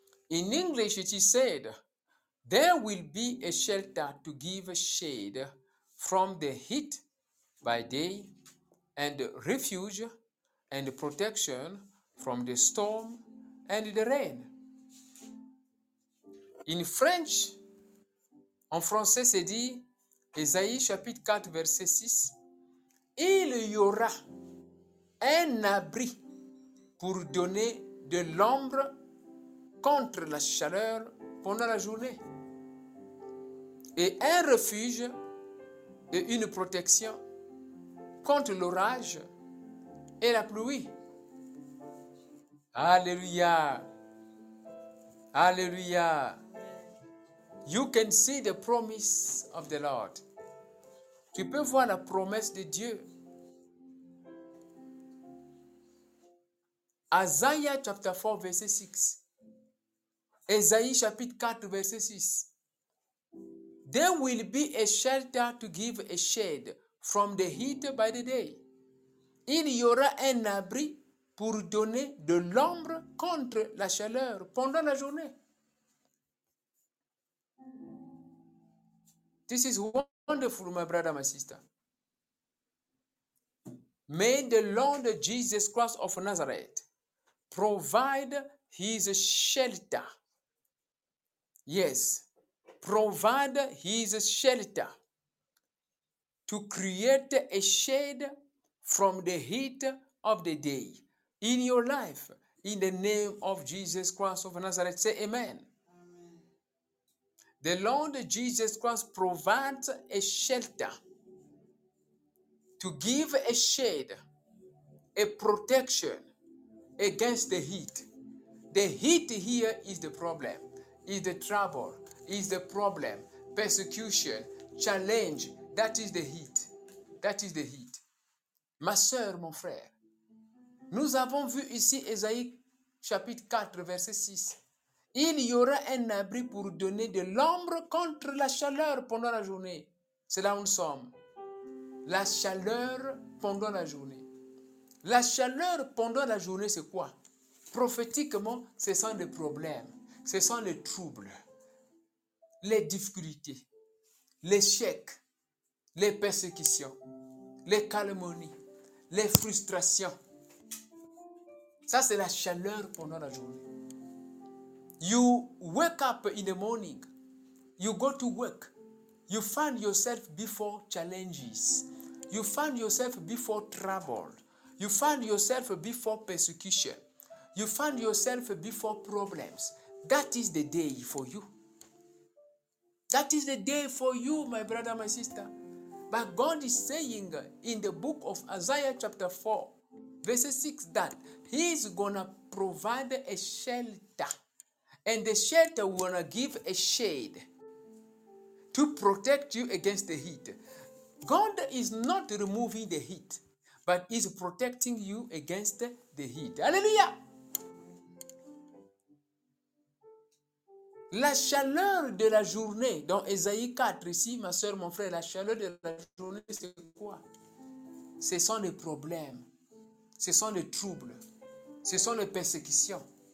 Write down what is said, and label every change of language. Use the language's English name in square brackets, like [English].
[English] In English, it is said, there will be a shelter to give shade from the heat by day, and refuge and protection from the storm and the rain. In French, [French] en français, c'est dit, Esaïe chapitre 4, verset 6, il y aura un abri pour donner de l'ombre contre la chaleur pendant la journée, et un refuge et une protection contre l'orage et la pluie. Alléluia! Alléluia! [English] You can see the promise of the Lord. [French] Tu peux voir la promesse de Dieu. [English] Isaiah chapter 4, [French] verset 6. Esaïe chapitre 4, verset 6. [English] There will be a shelter to give a shade from the heat by the day. [French] Il y aura un abri pour donner de l'ombre contre la chaleur pendant la journée. [English] This is wonderful, my brother, my sister. May the Lord Jesus Christ of Nazareth provide his shelter. Yes, provide his shelter to create a shade from the heat of the day in your life, in the name of Jesus Christ of Nazareth. Say amen. The Lord Jesus Christ provides a shelter to give a shade, a protection against the heat. The heat here is the problem, is the trouble, is the problem, persecution, challenge. That is the heat. That is the heat. [French] Ma soeur, mon frère, nous avons vu ici Ésaïe chapitre 4, verset 6. Il y aura un abri pour donner de l'ombre contre la chaleur pendant la journée. C'est là où nous sommes. La chaleur pendant la journée. La chaleur pendant la journée, c'est quoi? Prophétiquement, ce sont des problèmes. Ce sont les troubles, les difficultés, l'échec, les persécutions, les calomnies, les frustrations. Ça, c'est la chaleur pendant la journée. [English] You wake up in the morning, you go to work, you find yourself before challenges, you find yourself before trouble, you find yourself before persecution, you find yourself before problems. That is the day for you. That is the day for you, my brother, my sister. But God is saying in the book of Isaiah chapter 4, verse 6, that he is going to provide a shelter. And the shelter will gonna give a shade to protect you against the heat. God is not removing the heat, but is protecting you against the heat. Hallelujah! [French] La chaleur de la journée, dans Ésaïe 4 ici, ma soeur, mon frère, la chaleur de la journée, c'est quoi? Ce sont les problèmes, ce sont les troubles, ce sont les persécutions.